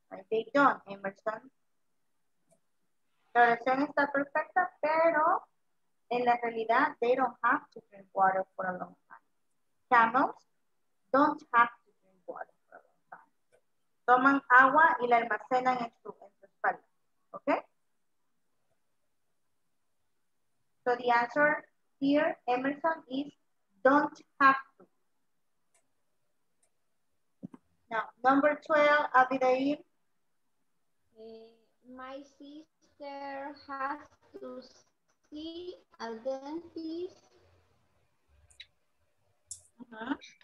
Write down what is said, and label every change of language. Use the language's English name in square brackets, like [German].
[English] They don't, Emerson. [Spanish] La oración está perfecta, pero en la realidad, [English] they don't have to drink water for a long time. Camels don't have to drink water for a long time. [Spanish] Toman agua y la almacenan en su espalda. [English] Okay? So the answer here, Emerson, is don't have to. Now, number 12, Abigail. My sister has to see a dentist.